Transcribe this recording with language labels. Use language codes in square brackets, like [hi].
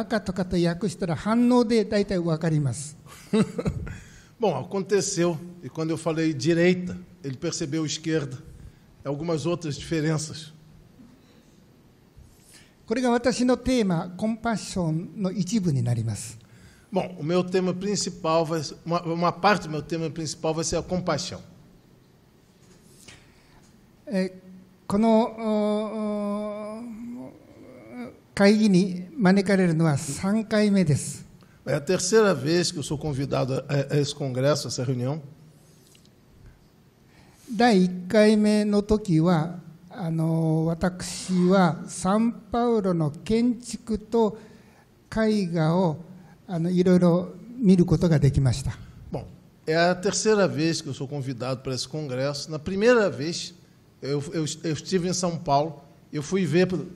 [ja] だけども面白いことに私が右と言う右とか白と言った時に彼が左とか赤とかと訳したら反応で大体分かります. [pt] Bom, aconteceu, e quando eu falei direita, ele percebeu esquerda. Algumas outras diferenças. [ja] これが私のテーマ、コンパッションの一部になります. [pt] Bom, o meu tema principal vai ser, uma parte do meu tema principal vai ser a compaixão. [ja] この会議に招かれるのは3回目です. [pt] É a terceira vez que eu sou convidado a esse congresso, a essa reunião. [ja] 第1回目の時は あの、私はサンパウロの建築と絵画をいろいろ見ることができました. [pt] Bom, é a terceira vez que eu sou convidado para esse congresso. Na primeira vez, eu estive em São Paulo, eu fui ver...